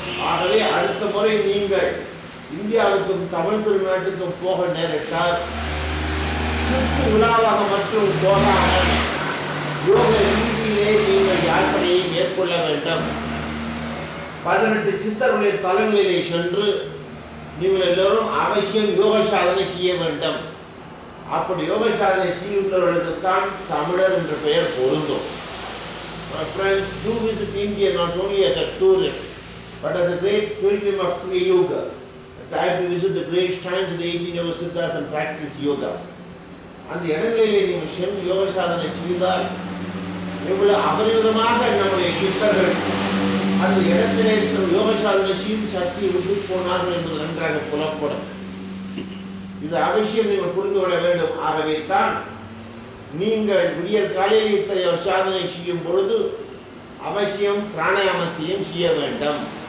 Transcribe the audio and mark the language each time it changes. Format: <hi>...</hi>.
<ta>ஆகவே அடுத்த முறை நீங்கள் இந்தியாவுக்கும் தமிழ் திருநாட்டுக்கும் போக நேரிட்டால் சுற்று உலாவாக மற்றும் போகாமல் யோக ரீதியிலே நீங்கள் யாத்திரையை மேற்கொள்ள வேண்டும். 18 சித்தருடைய தலங்களிலே சென்று நீங்கள் எல்லோரும் அவசியம் யோக சாதனை செய்ய வேண்டும். அப்படி யோக சாதனை செய்கின்றவர்களுக்கு தான் தமிழர் என்ற பெயர் பொருந்தும்.</ta> <en>Do visit India not only as a tourist but as a great pilgrim of Kriya Yoga. I have to visit the great shrines of the 18 Yoga Siddhas and practice yoga.</en> <ta>அந்த இடங்களிலே நீங்கள் சென்று யோக சாதனை செய்தால் எவ்வளவு அபரிதமாக நம்முடைய சித்தர்கள் அந்த இடத்திலே யோக சாதனை செய்து சக்தியை விட்டு போனார்கள் என்பது நன்றாக புலப்படும். இது அவசியம் நீங்கள் புரிந்து கொள்ள வேண்டும். ஆகவே தான் நீங்கள் உரிய காலையில் இத்தனை ஒரு சாதனை செய்யும் பொழுது அவசியம் பிராணாயாமத்தையும் செய்ய வேண்டும்.</ta>